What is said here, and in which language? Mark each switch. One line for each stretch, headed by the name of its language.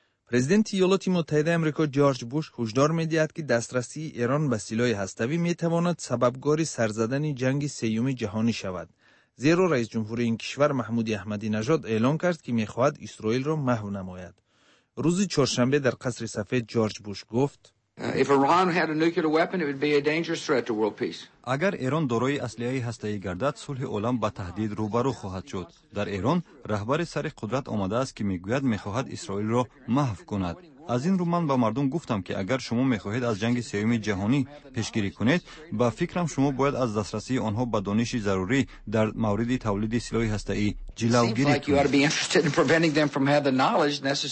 Persian: پرزیدنت ایالات متحده آمریکا جورج بوش هشدار می‌دهد که دسترسی ایران به سلاح هسته‌ای می‌تواند سببگار سرزدن جنگ سیوم جهانی شود، زیرا رئیس جمهور این کشور محمود احمدی نژاد اعلان کرد که می‌خواهد اسرائیل را محو نماید. روز چهارشنبه در قصر سفید جورج بوش گفت:
English: If Iran had a nuclear weapon, it would be a dangerous threat to world peace.
Persian: اگر ایران دارای اسلحه هسته‌ای گردد، صلح عالم به تهدید روبرو خواهد شد. در ایران رهبر سر قدرت آمده است که میگوید میخواهد اسرائیل را محو کند. از این رو من به مردم گفتم که اگر شما میخواهید از جنگ سیوم جهانی پیشگیری کنید، با فکرم شما باید از دسترسی آنها به دانش ضروری در مورد تولید سلاح هسته‌ای جلوگیری کنید.